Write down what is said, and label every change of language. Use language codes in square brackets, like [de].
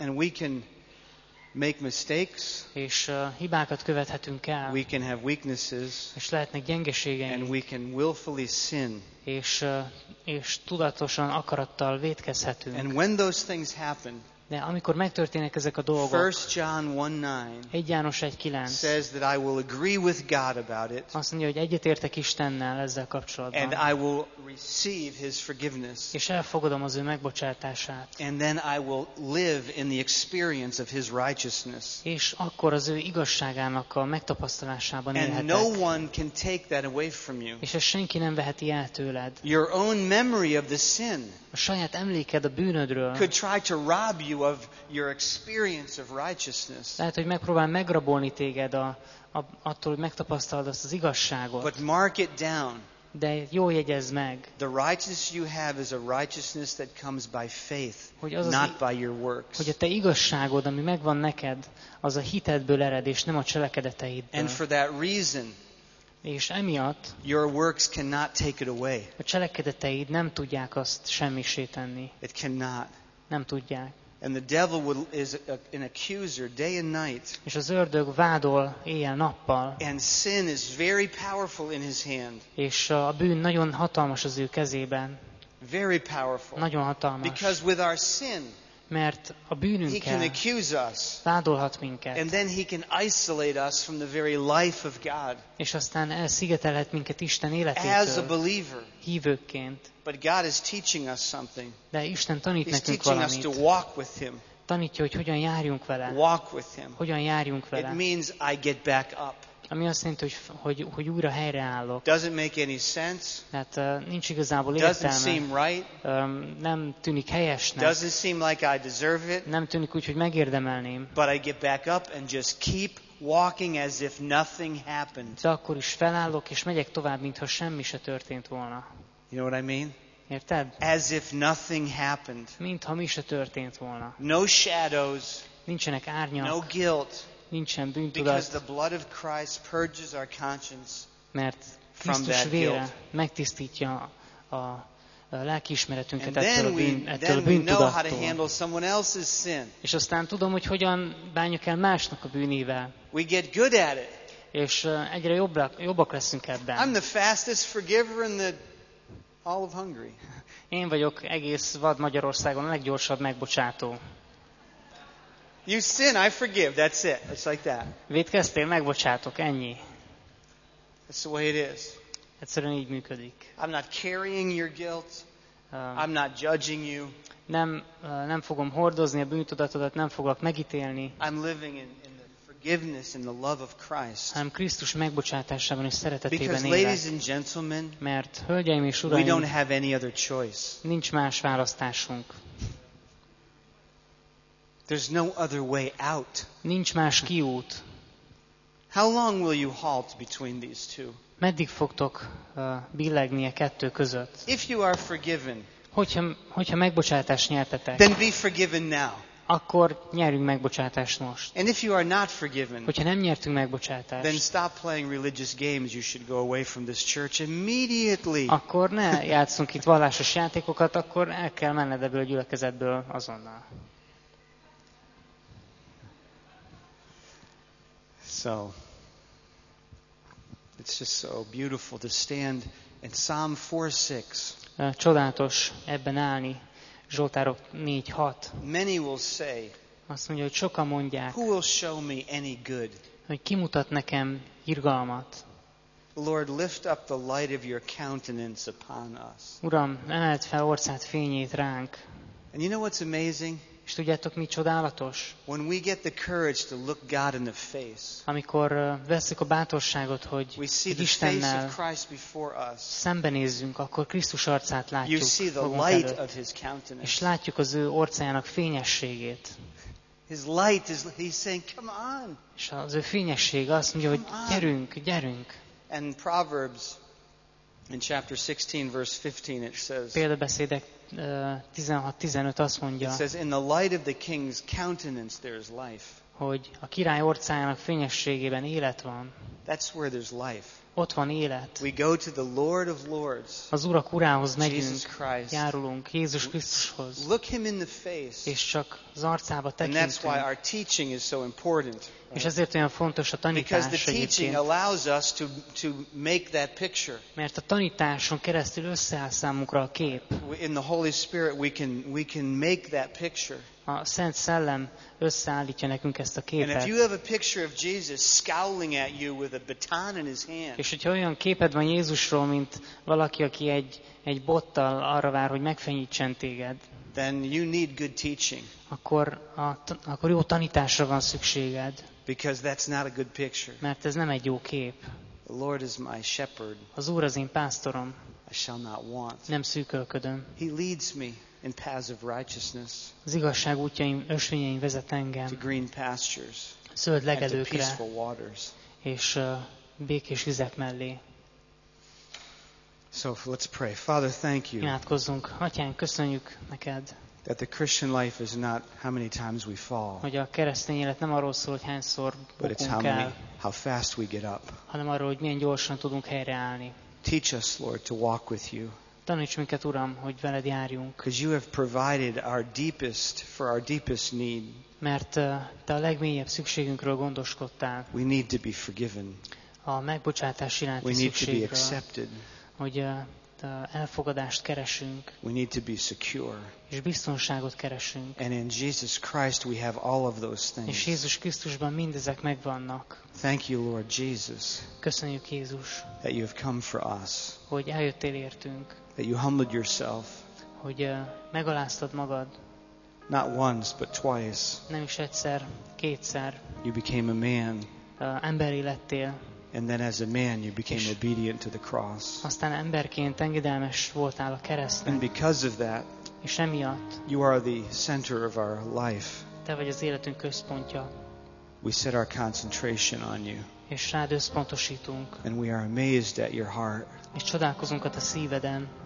[en] and we can make mistakes, [hu] és hibákat követhetünk el, [en] we can have weaknesses, [hu] és lehetnek gyengeségeink, [en] and we can willfully sin, [hu] és tudatosan akarattal vétkezhetünk, [en] and when those things happen, [hu] de amikor megtörténnek ezek a dolgok, 1 János 1:9 [en] says that I will agree with God about it, [hu] azt mondja, hogy egyetértek Istennel ezzel kapcsolatban, [en] and I will receive his forgiveness, [hu] és elfogadom az ő megbocsátását, [en] and then I will live in the experience of his righteousness, [hu] és akkor az ő igazságának a megtapasztalásában [en] and [hu] élhetek, [en] no one can take that away from you, [hu] és ezt senki nem veheti el tőled, [en] your own memory of the sin, [hu] a saját emléked a bűnödről, [en] could try to rob you of your experience of righteousness. [hu] Lehet, hogy megpróbál megrabolni téged attól, hogy megtapasztald azt az igazságot. [en] But mark it down. [hu] De jó jegyezz meg. [en] The righteousness you have is a righteousness that comes by faith, not by your works. [hu] Hogy a te igazságod, ami megvan neked, az a hitedből ered, és nem a cselekedeteidből. [en] And for that reason, [hu] és emiatt, [en] your works cannot take it away. [hu] A cselekedeteid nem tudják azt semmissé tenni. [en] It cannot. [hu] Nem tudják. [en] And the devil is an accuser day and night. [hu] És az ördög vádol éjjel-nappal. [en] And sin is very powerful in his hand. [hu] És a bűn nagyon hatalmas az ő kezében. [en] Very powerful. [hu] Nagyon hatalmas. [en] Because with our sin, [hu] mert a bűnünkkel, [en] he can accuse us. [hu] Vádolhat minket. [en] And then he can isolate us from the very life of God. [hu] És aztán elszigetelhet minket Isten életétől. [en] As a believer, [hu] hívőként. [en] But God is teaching us something. [hu] De Isten tanít [en] He's [hu] nekünk [en] teaching [hu] valamit. [en] Us to walk with him. [hu] Tanítja, hogy hogyan járjunk vele. [en] Walk with him. [hu] Hogyan járjunk vele. [en] It means I get back up. [hu] Ami azt jelenti, hogy hogy újra helyreállok. [en] Doesn't make any sense. [hu] Hát nincs igazából értelme. [en] Doesn't seem right. [hu] Nem tűnik helyesnek. [en] Doesn't seem like I deserve it. [hu] Nem tűnik úgy, hogy megérdemelném. [en] But I get back up and just keep walking as if nothing happened. [hu] De akkor is felállok és megyek tovább, mintha semmi se történt volna. [en] You know what I mean? [hu] Érted? [en] As if nothing happened. [hu] Mintha mi se történt volna. [en] No shadows. [hu] Nincsenek árnyak. [en] No guilt. [hu] Nincsen bűntudat. [en] Because the blood of Christ purges our conscience [hu] mert Krisztus vére megtisztítja a lelkiismeretünket ettől a bűntudattól. És aztán tudom, hogy hogyan bánjuk el másnak a bűnével. [en] We get good at it. [hu] És egyre jobbak leszünk ebben. [en] I'm the fastest forgiver in the all of Hungary. [hu] Én vagyok egész vad Magyarországon a leggyorsabb megbocsátó. [en] You sin, I forgive. That's it. It's like that. [hu] Vétkeztél, megbocsátok, ennyi. [en] That's the way it is. [hu] Egyszerűen így működik. [en] I'm not carrying your guilt. I'm not judging you. [hu] Nem fogom hordozni a bűntudatodat, nem foglak megítélni. [en] I'm living in the forgiveness and the love of Christ. [hu] Hanem Krisztus megbocsátásában és szeretetében élek. [en] Because, ladies and gentlemen, [hu] mert hölgyeim és uraim, [en] we don't have any other choice. [hu] Nincs más választásunk. [en] There's no other way out. [hu] Nincs más kiút. [en] How long will you halt between these two? [hu] Meddig fogtok billegni a kettő között? [en] If you are forgiven, [hu] hogyha megbocsátást nyertetek, [en] then be forgiven now. [hu] Akkor nyerjünk megbocsátást most. [en] And if you are not forgiven, [hu] hogyha nem nyertünk megbocsátást, [en] then stop playing religious games. You should go away from this church immediately. [hu] Akkor ne játszunk itt vallásos játékokat, akkor el kell menned ebből a gyülekezetből azonnal. [en] So it's just so beautiful to stand in Psalm 4:6. [hu] Csodálatos ebben állni Zsoltárok 4:6. [en] Many will say, [hu] azt mondja, hogy sokan mondják, [en] who will show me any good? [hu] Hogy kimutat nekem irgalmat. [en] Lord, lift up the light of your countenance upon us. [hu] Uram, emeld fel orcát fényét ránk. [en] And you know what's amazing? [hu] És tudjátok, mi csodálatos? [en] When we get the courage to look God in the face. [hu] Amikor veszük a bátorságot, hogy Istennel szembenézzünk, akkor Krisztus arcát látjuk. [en] You see the light of his countenance. [hu] És látjuk az ő orcájának fényességét. [en] His light is, he's saying, come on. [hu] És az ő fényesség azt mondja, hogy gyerünk, gyerünk. [en] And Proverbs in chapter 16 verse 15 it says. [hu] Példabeszédek 16-15 azt mondja, [en] it says, in the light of the king's countenance there is life. [hu] Hogy a király orcájának fényességében élet van. [en] That's where there's life. [hu] Ott van élet. [en] We go to the Lord of Lords. [hu] Az Urak Urához megyünk, járulunk Jézus Krisztushoz. [en] Look him in the face. [hu] És csak az arcába tekintünk. [en] And that's why our teaching is so important. [hu] És ezért olyan fontos a tanítás. [en] Because the teaching allows us to make that picture. [hu] Mert a tanításon keresztül összeáll számunkra a kép. [en] In the Holy Spirit we can make that picture. [hu] A Szent Szellem összeállítja nekünk ezt a képet. [en] And if you have a picture of Jesus scowling at you with a baton in his hand. [hu] És hogyha olyan képed van Jézusról, mint valaki, aki egy bottal arra vár, hogy megfenyítsen téged. [en] Then you need good teaching. [hu] Akkor jó tanításra van szükséged. [en] Because that's not a good picture. [hu] Mert ez nem egy jó kép. [en] The Lord is my shepherd. [hu] Az Úr az én pásztorom. [en] I shall not want. [hu] Nem szűkölködöm. [en] He leads me in paths of righteousness. [hu] Az igazság útjain, ösvényein vezet engem. [en] To green pastures. [hu] Zöld legelőkre. [en] And to peaceful waters. [hu] És békés vizek mellé. [en] So let's pray. Father, thank you. [hu] Imádkozzunk. Atyán, köszönjük neked. [en] That the Christian life is not how many times we fall. [hu] Hogy a keresztény élet nem arról szól, hogy hányszor bukunk el. [en] But it's how fast we get up. [hu] Hanem arról, hogy milyen gyorsan tudunk helyreállni. [en] Teach us, Lord, to walk with you. [hu] Taníts minket, Uram, hogy veled járjunk. [en] Because you have provided our deepest need. [hu] Mert te a legmélyebb szükségünkről gondoskodtál. [en] We need to be forgiven. [hu] A megbocsátás iránti [en] we need to be accepted. [hu] Hogy elfogadást keresünk. [en] We need to be secure. [hu] És biztonságot keresünk. [en] And in Jesus Christ we have all of those things. [hu] És Jézus Krisztusban mindezek megvannak. [en] Thank you, Lord Jesus. [hu] Köszönjük, Jézus. [en] That you have come for us. [hu] Hogy eljöttél értünk. [en] That you humbled yourself. [hu] Hogy megaláztad magad. [en] Not once, but twice. [hu] Nem is egyszer, kétszer. [en] You became a man. [hu] Emberré lettél. [en] And then as a man you became obedient to the cross. [hu] Aztán emberként engedelmes voltál a keresztnek. [en] And because of that, [hu] és emiatt, [en] you are the center of our life. [hu] Te vagy az életünk központja. [en] We set our concentration on you. [hu] És rád összpontosítunk. [en] And we are amazed at your heart. [hu] És csodálkozunk a te szíveden.